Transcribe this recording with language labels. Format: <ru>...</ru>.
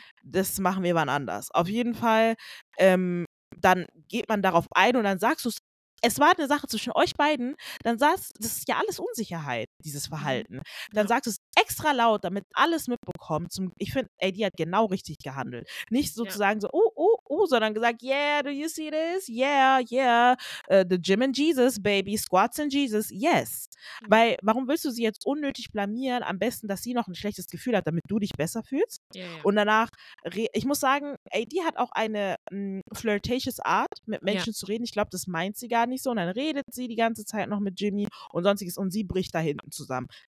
<de>Das machen wir wann anders. Auf jeden Fall, dann geht man darauf ein und dann sagst du, es war eine Sache zwischen euch beiden, dann sagst du, das ist ja alles Unsicherheit, dieses Verhalten. Dann sagst du es extra laut, damit alles mitbekommt. Ich finde, ey, die hat genau richtig gehandelt. Nicht sozusagen sondern gesagt,</de> <en>yeah, do you see this? Yeah, yeah, the gym and Jesus, baby, squats and Jesus, yes. Mhm.</en> <de>Weil, warum willst du sie jetzt unnötig blamieren? Am besten, dass sie noch ein schlechtes Gefühl hat, damit du dich besser fühlst. Yeah, yeah. Und danach, ich muss sagen, ey, die hat auch eine flirtatious Art, mit Menschen zu reden. Ich glaube, das meint sie gar nicht so. Und dann redet sie die ganze Zeit noch mit Jimmy und sonstiges und sie bricht da hinten zusammen.</de>